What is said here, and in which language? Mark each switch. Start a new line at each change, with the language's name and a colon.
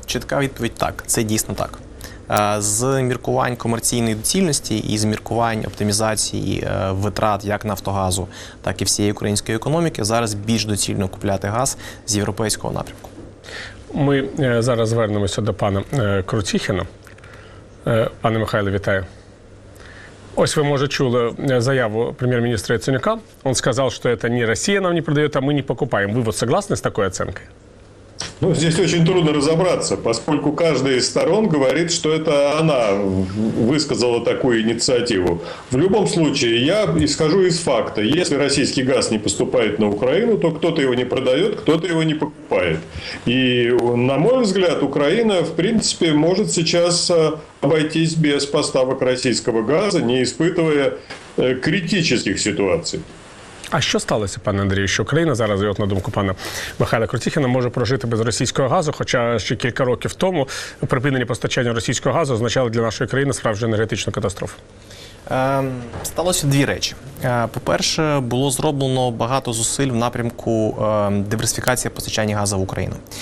Ukrainian: Чітка відповідь так, це дійсно так. З міркувань комерційної доцільності і з міркувань оптимізації витрат як Нафтогазу, так і всієї української економіки, зараз більш доцільно купляти газ з європейського напрямку. Ми зараз звернемося до пана Круціхіна. Пане Михайле, вітаю. Ось ви, може, чули заяву прем'єр-міністра Яценюка. Он сказав, що це не Росія нам не продає, а ми не покупаємо. Ви от согласні з такою оцінкою?
Russian: Ну, здесь очень трудно разобраться, поскольку каждая из сторон говорит, что это она высказала такую инициативу. В любом случае, я исхожу из факта, если российский газ не поступает на Украину, то кто-то его не продает, кто-то его не покупает. И, на мой взгляд, Украина, в принципе, может сейчас обойтись без поставок российского газа, не испытывая критических ситуаций.
Ukrainian: А що сталося, пане Андрію, що Україна зараз, на думку пана Михайла Крутіхіна, може прожити без російського газу, хоча ще кілька років тому припинення постачання російського газу означало для нашої країни справжню енергетичну катастрофу? Сталося дві речі. По-перше, було зроблено багато зусиль в напрямку диверсифікації постачання газу в Україну.